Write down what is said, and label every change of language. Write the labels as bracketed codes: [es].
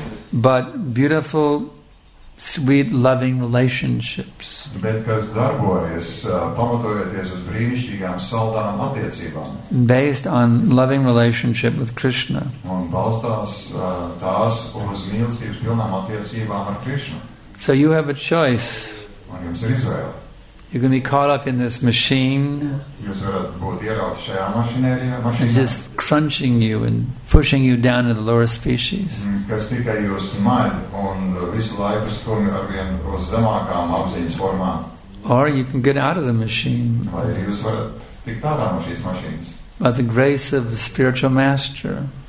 [en] But beautiful, sweet, loving relationships. [lv] Bet kas darbojas, pamatojoties uz brīnišķīgām, saldām attiecībām. [en] Based on loving relationship with Krishna. [lv] Un balstās tās uz mīlestības pilnām attiecībām ar Krishna. [en] So you have a choice. [lv] Un jums ir izvēle. [en] You can be caught up in this machine. [lv] Jūs varat būt ieraudz šajā mašinērijā, mašinērijā. [en] Just crunching you and pushing you down to the lower species. [lv] Kas tikai jūs maļ un visu laiku stumj ar vien uz zemākām apziņas formām. [en] Or you can get out of the machine. [lv] Vai jūs varat tikt ārā no šīs mašīnas. [en] By the grace of the spiritual master.